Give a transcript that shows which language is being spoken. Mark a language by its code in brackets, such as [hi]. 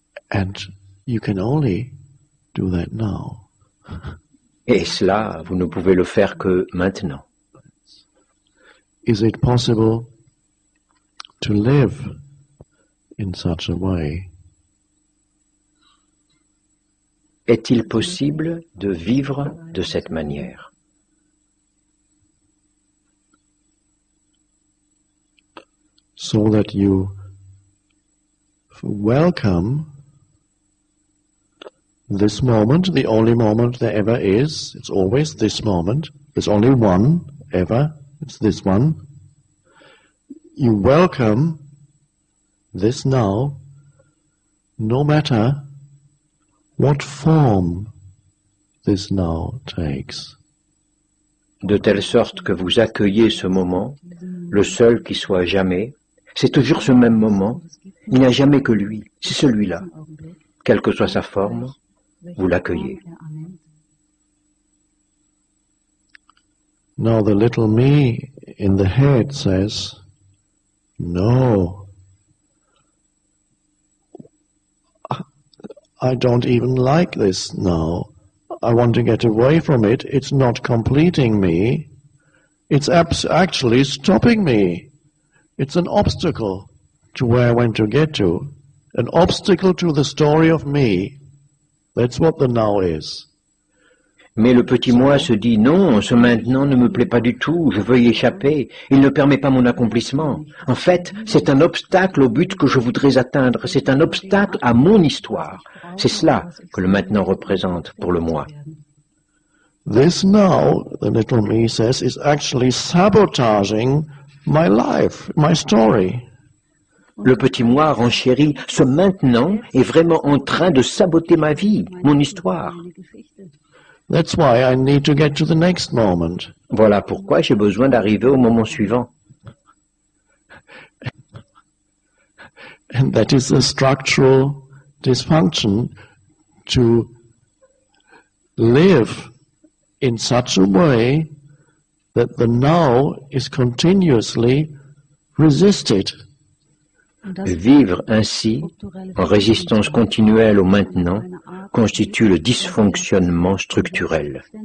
[en] And you can only do that now. [fr] Et cela, vous ne pouvez le faire que maintenant. [en] Is it possible to live in such a way? [fr] Est-il possible de vivre de cette manière? [en] So that you welcome this moment, the only moment there ever is, it's always this moment, there's only one ever, it's this one. You welcome this now, no matter what form this now takes. [fr] De telle sorte que vous accueillez ce moment, le seul qui soit jamais, c'est toujours ce même moment, il n'y a jamais que lui, c'est celui-là, quelle que soit sa forme. Vous l'accueillez. [en] Now the little me in the head says, no, I don't even like this now. I want to get away from it. It's not completing me. It's actually stopping me. It's an obstacle to where I want to get to. An obstacle to the story of me. That's what the now is. [fr] Mais le petit moi se dit non, ce maintenant ne me plaît pas du tout, je veux y échapper, il ne permet pas mon accomplissement. En fait, c'est un obstacle au but que je voudrais atteindre, c'est un obstacle à mon histoire. C'est cela que le maintenant représente pour le moi. [en] This now, the little me says, is actually sabotaging my life, my story. [fr] Le petit moi renchérit, ce maintenant est vraiment en train de saboter ma vie, mon histoire. [en] That's why I need to get to the next moment. [fr] Voilà pourquoi j'ai besoin d'arriver au moment suivant. [en] And that is a structural dysfunction to live in such a way that the now is continuously resisted. [fr] Vivre ainsi, en résistance continuelle au maintenant, constitue le dysfonctionnement structurel.